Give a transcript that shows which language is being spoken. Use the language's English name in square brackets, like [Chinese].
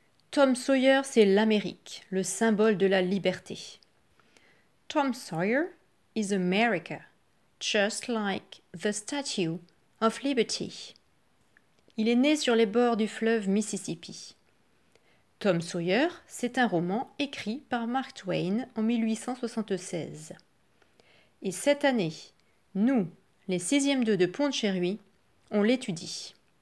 [French] Tom Sawyer, c'est l'Amérique, le symbole de la liberté. [English] Tom Sawyer is America, just like the Statue of Liberty. [French] Il est né sur les bords du fleuve Mississippi. Tom Sawyer, c'est un roman écrit par Mark Twain en 1876. Et cette année, nous, les 6e 2 de Pontchéry, on l'étudie.